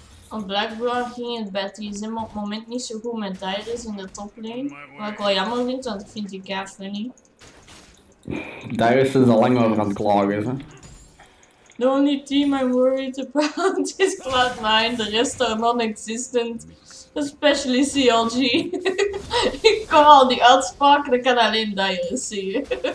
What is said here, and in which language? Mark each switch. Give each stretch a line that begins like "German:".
Dutch: Op Blackboard ging het bij TSM op het moment niet zo goed met Dyrus in de toplane. Wat ik wel jammer vind, want ik vind die kei funny. Dyrus is al lang over aan het klagen, hè.
English: The only team I'm worried about is Cloud9, the rest are non-existent. Especially CLG.
Dutch: Ik kom al die uitspraak, dan kan alleen Dyrus zien.